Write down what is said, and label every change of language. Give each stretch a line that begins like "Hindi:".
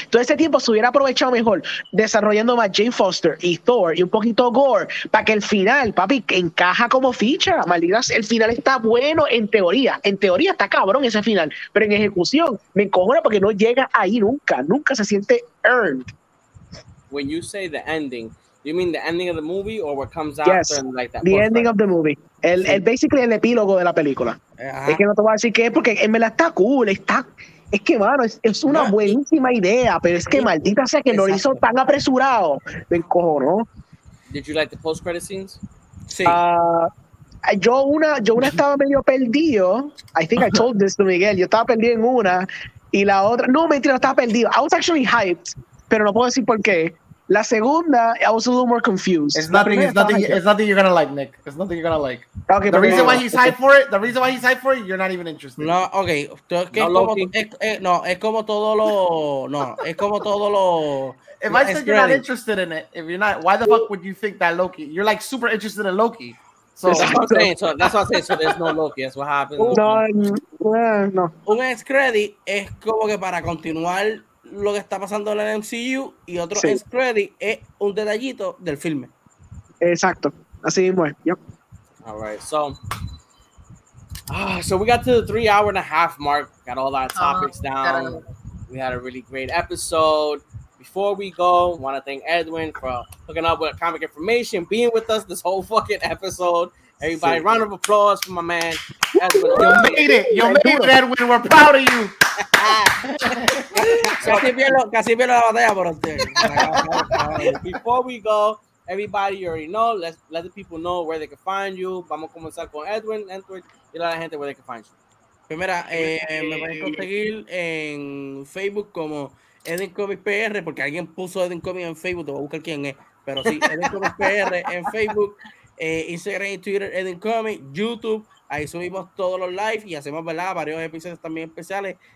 Spanish: Todo ese tiempo se hubiera aprovechado mejor desarrollando más Jane Foster y Thor y un poquito Gore para que el final, papi, encaja como ficha. Maldita, el final está bueno en teoría. En teoría está cabrón ese final, pero en ejecución me encojona porque no llega ahí nunca. Nunca se siente earned.
English: When you say the ending, you mean the ending of the movie or what comes after? Yes, like that the ending part of the movie.
Spanish: El basically el epílogo de la película. Ajá. Es que no te voy a decir qué es porque en verdad está cool. Es que, mano, es una buenísima idea, pero es que maldita sea que lo hizo tan apresurado. Me encojonó.
English: Did you like the post-credit scenes?
Spanish: Sí. Yo una estaba medio perdido.
English: I think I told this to Miguel.
Spanish: Yo estaba perdido en una y la otra. No, mentira, estaba perdido.
English: I was actually hyped,
Spanish: pero no puedo decir por qué. La segunda,
English: I was a little more confused. It's nothing you're gonna like, Nick. It's nothing you're gonna like. Okay, the reason why he's hyped for it, you're not even interested. No, okay. If I said you're not interested in it, if you're not, why the fuck would you think that Loki? You're like super interested in Loki. So that's what I'm saying. So there's no Loki. That's what happens. No.
Spanish: Un credit es como que para continuar lo que está pasando en el MCU y otro end credit es un detallito del filme. Exacto. Así mismo es. Yep.
English: All right. So we got to the 3-hour-and-a-half mark. Got all our topics down. We had a really great episode. Before we go, want to thank Edwin for hooking up with Comic Information, being with us this whole fucking episode. Everybody, round of applause for my man. You made it, Edwin. We're proud of you. Before we go, everybody, you already know. Let the people know where they can find you.
Spanish: Vamos a comenzar con Edwin.
English: Edwin,
Spanish: dile a la gente
English: where they can find you.
Spanish: Primera, me voy a conseguir en Facebook como Edwin Comics PR, porque alguien puso Edwin Comics en Facebook. Te voy a buscar quién es. Pero sí, Edwin Comics PR en Facebook. Instagram y Twitter, Edwin Comics, YouTube, ahí subimos todos los live y hacemos, ¿verdad?, varios episodios también especiales.